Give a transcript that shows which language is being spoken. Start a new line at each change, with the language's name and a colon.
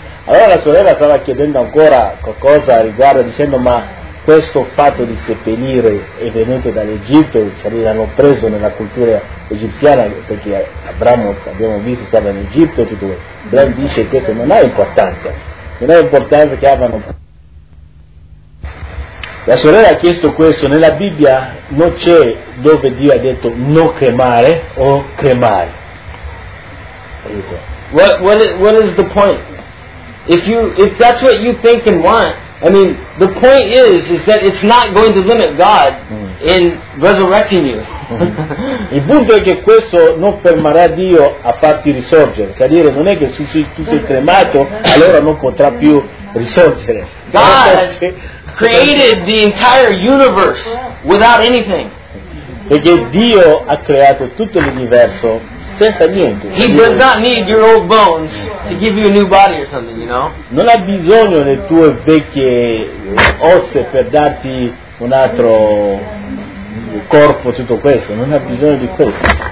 Italian: Allora la sorella stava chiedendo ancora qualcosa riguardo, dicendo, ma questo fatto di seppellire è venuto dall'Egitto, cioè l'hanno preso nella cultura egiziana, perché Abramo, abbiamo visto, stava in Egitto, tutto questo. Abramo dice che questo non ha importanza, non ha importanza che abbiano. La sorella ha chiesto questo, nella Bibbia non c'è dove Dio ha detto non cremare o cremare.
English: What is the point? If that's what you think and want, I mean, the point is that it's not going to limit God in resurrecting you.
Italian: Il punto è che questo non fermerà Dio a farti risorgere. Cioè dire, non è che se sei tutto cremato, allora non potrà più risorgere.
English: God created the entire universe without anything.
Italian: Perché Dio ha creato tutto l'universo.
English: He does not need your old bones to give you a new body or something, you know?
Italian: Non ha bisogno delle tue vecchie ossa per darti un altro corpo, tutto questo. Non ha bisogno di questo.